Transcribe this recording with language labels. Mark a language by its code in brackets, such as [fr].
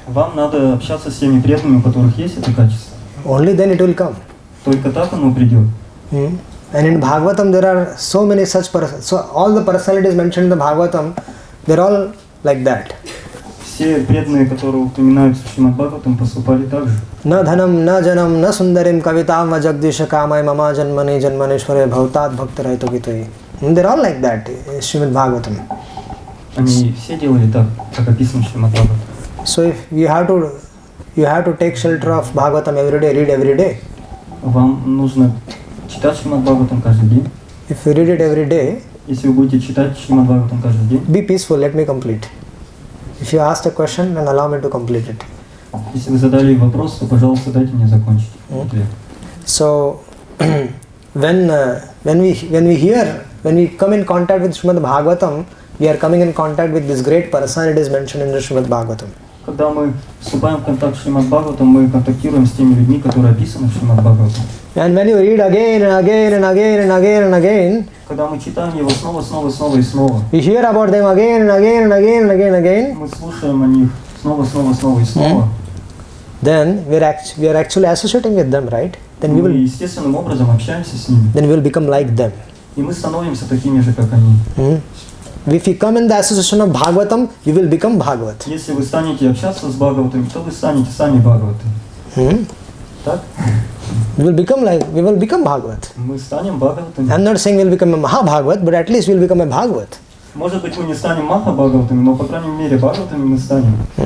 [ru] Вам надо общаться с теми преданными, у которых есть это качество. [en] Only then it will come. [ru] Только так оно придет. [en] And in Bhagavatam there are so many such persons. So all the personalities mentioned in the Bhagavatam, they're all like that. [ru] Все преданные, которые упоминаются в Шримад Бхагаватам, поступали так же. [sa] На дханам, на джанам, на сундарим, кавитам, ваджагдиша, камай, мама, джанмани, джанманишваре, бхавтат, бхактирай, тукитуи. [en] They're all like that in Шримад Бхагаватам. [ru] Они все делали так, как описано в Шримад Бхагаватам. [en] So if you have to take shelter of Bhagavatam every day, read every day. [ru] Вам нужно читать Шримад Бхагаватам каждый день. [en] If you read it every day. [ru] Если вы будете читать Шримад Бхагаватам каждый день. [en] Be peaceful, let me complete. If you ask a question, then allow me to complete it. [ru] Если вы задали вопрос, то, пожалуйста, дайте мне закончить ответ. [en] So when we come in contact with Шримад Бхагаватам, we are coming in contact with this great personality is mentioned in the Shrimad Bhagavatam. [ru] Когда мы вступаем в контакт с Шримад Бхагаватом, мы контактируем с теми людьми, которые описаны в Шримад Бхагаватам. [en] And when you read again and again and again and again and again, [ru] когда мы читаем его снова, снова, снова и снова, [en] we hear about them again and again and again and again and again. [ru] Мы слушаем о них снова, снова, снова и снова. [en] Then we are actually associating with them, right? Then we will. [ru] Мы естественным образом общаемся с ними. [en] Then we will become like them. [ru] И мы становимся такими же, как они. [en] If you come in the association of Bhagavatam, you will become Bhagavat. [ru] Если вы станете общаться с Бхагаватом, то вы станете сами Бхагаватом. Так? [en] We will become Bhagavat. [ru] Мы станем Бхагаватом. [en] I'm not saying we'll become a Mahabhagavat, but at least we'll become a Bhagavat. [ru] Может быть, мы не станем Махабхагаватами, но по крайней мере Бхагаватами мы станем.